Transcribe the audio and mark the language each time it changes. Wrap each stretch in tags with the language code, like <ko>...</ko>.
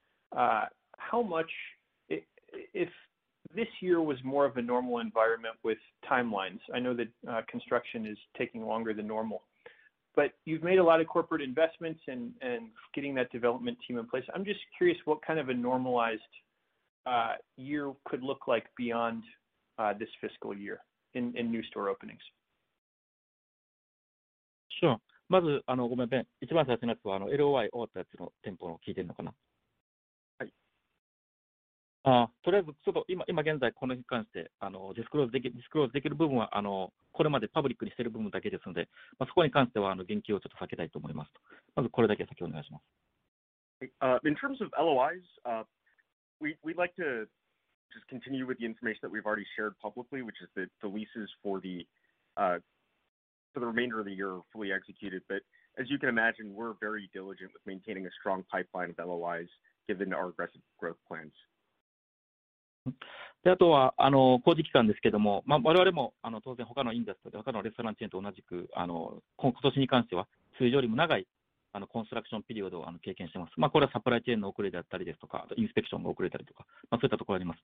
<en>How much, if this year was more of a normal environment with timelines, I know that construction is taking longer than normal, but you've made a lot of corporate investments and getting that development team in place. I'm just curious what kind of a normalized year could look like beyond this fiscal year in new store openings. Sure.</en> <ja>まず、ごめんね。一番最初のやつは、LOI 終わったやつの店舗を聞いてるのかな。はい。とりあえず、ちょっと 今現在、この日に関して、ディスクローズできる部分は、これまでパブリックにしている部分だけですので、まあ、そこに関しては、言及をちょっと避けたいと思います。まず、これだけ先お願いします。</ja> <en>In terms of LOIs, we'd like to just continue with the information that we've already shared publicly, which is the leases for the for the remainder of the year fully executed, but as you can imagine, we're very diligent with maintaining a strong pipeline of LOIs given our aggressive growth plans.</en> <ja>であとは工事期間ですけども、まあ、我々も当然他のインダストリー、他のレストランチェーンと同じく今年に関しては通常よりも長いコンストラクションピリオドを経験してます。まあ、これはサプライチェーンの遅れであったりですとか、あとインスペクションが遅れたりとか、まあ、そういったところがあります。</ja>